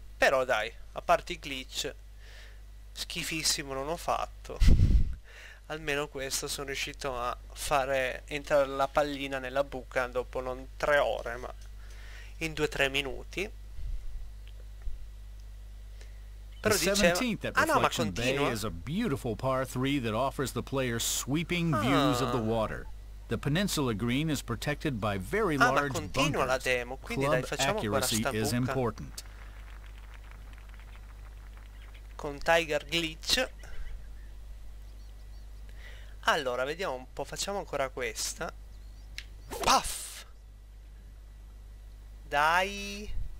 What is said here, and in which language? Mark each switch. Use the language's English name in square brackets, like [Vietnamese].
[Italian] Però dai, a parte i glitch, schifissimo non ho fatto. Almeno questo sono riuscito a fare entrare la pallina nella buca dopo non 3 ore, ma in 2-3 minuti. Però diceva... Ah no, ma continua. [English] Is a beautiful par 3 that offers the player sweeping views of the water. The peninsula green is protected by very large [Italian] bunkers. Ma continua la demo, quindi dai, facciamo qua sta buca. Con Tiger glitch. Allora, vediamo un po', facciamo ancora questa. Puff! Dai!